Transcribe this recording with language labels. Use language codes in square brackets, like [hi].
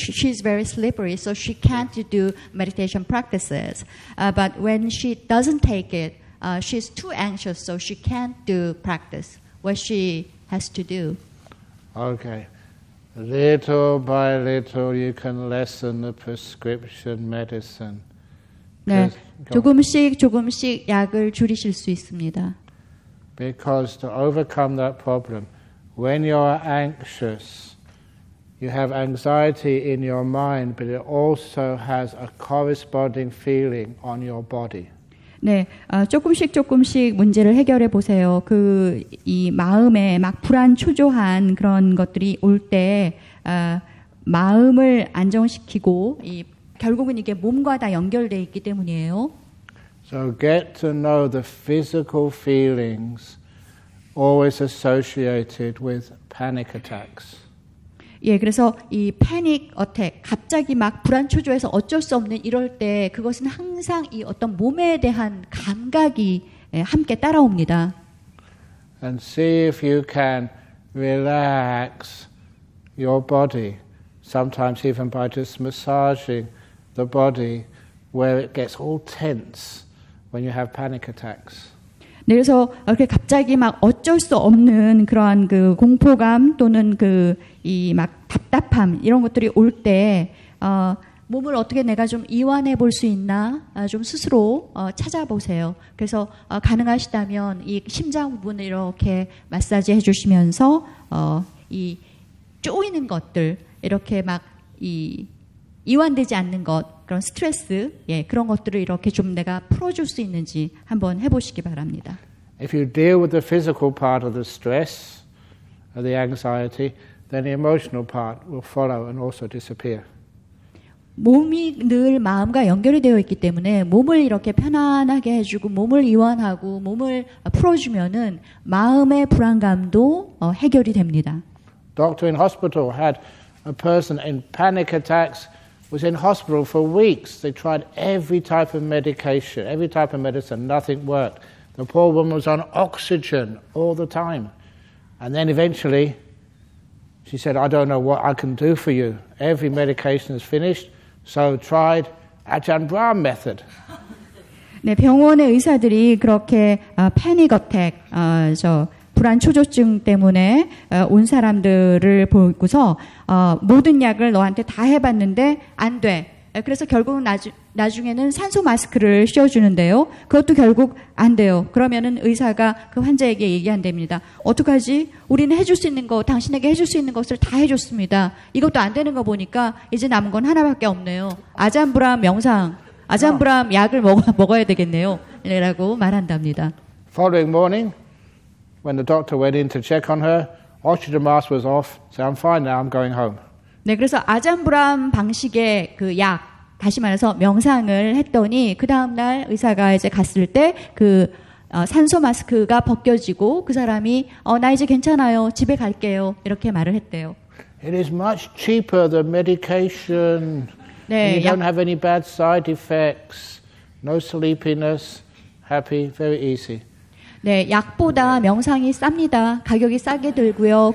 [en] She's very slippery, so she can't do meditation practices. But when she doesn't take it. She's too anxious, so she can't do practice what she has to do. Okay. Little by little, you can lessen the prescription medicine. [ko] 네, 조금씩 조금씩 약을 줄이실 수 있습니다. [en] Because to overcome that problem, when you're anxious, you have anxiety in your mind, but it also has a corresponding feeling on your body. [ko] 네, 조금씩 조금씩 문제를 해결해 보세요. 그 이 마음에 막 불안 초조한 그런 것들이 올 때 마음을 안정시키고 이 결국은 이게 몸과 다 연결돼 있기 때문이에요. [en] So get to know the physical feelings always associated with panic attacks. [ko] 예, 그래서 이 패닉 어택, 갑자기 막 불안 초조해서 어쩔 수 없는 이럴 때 그것은 항상 이 어떤 몸에 대한 감각이 함께 따라옵니다. [en] And see if you can relax your body, sometimes even by just massaging the body where it gets all tense when you have panic attacks. [ko] 네, 그래서 이렇게 갑자기 막 어쩔 수 없는 그러한 그 공포감 또는 그 이 막 답답함 이런 것들이 올 때 몸을 어떻게 내가 좀 이완해 볼 수 있나 좀 스스로 찾아보세요. 그래서 가능하시다면 이 심장 부분을 이렇게 마사지 해주시면서 이 쪼이는 것들 이렇게 막 이 이완되지 않는 것 그런 스트레스 예 그런 것들을 이렇게 좀 내가 풀어줄 수 있는지 한번 해보시기 바랍니다. [en] If you deal with the physical part of the stress, or the anxiety, then the emotional part will follow and also disappear. [ko] 몸이 늘 마음과 연결이 되어 있기 때문에 몸을 이렇게 편안하게 해주고 몸을 이완하고 몸을 풀어주면은 마음의 불안감도 해결이 됩니다. [en] Doctor in hospital had a person in panic attacks. Was in hospital for weeks. They tried every type of medication, every type of medicine. Nothing worked. The poor woman was on oxygen all the time. And then eventually, she said, I don't know what I can do for you. Every medication is finished. So tried Ajahn Brahm method. [ko] 네, 병원의 의사들이 그렇게 패닉 어택, 불안 초조증 때문에 온 사람들을 보고서 모든 약을 너한테 다 해봤는데 안 돼. 그래서 결국 나중에는 산소 마스크를 씌워주는데요. 그것도 결국 안 돼요. 그러면은 의사가 그 환자에게 얘기한답니다. 어떡하지? 우리는 해줄 수 있는 거, 당신에게 해줄 수 있는 것을 다 해줬습니다. 이것도 안 되는 거 보니까 이제 남은 건 하나밖에 없네요. 아잠브람 명상, 아잠브람 약을 먹어야 되겠네요. 라고 말한답니다. [en] Following morning, when the doctor went in to check on her, oxygen mask was off. So I'm fine now. I'm going home. [ko] 네, 그래서 아잠브람 방식의 그 약, 다시 말해서 명상을 했더니 그 다음날 의사가 이제 갔을 때 그 산소 마스크가 벗겨지고 그 사람이 나 이제 괜찮아요, 집에 갈게요 이렇게 말을 했대요. [en] It is much cheaper the medication. [ko] 네, [en] you don't have any bad side effects, no sleepiness, happy, very easy. [ko] 네, 약보다 명상이 쌉니다. 가격이 싸게 들고요.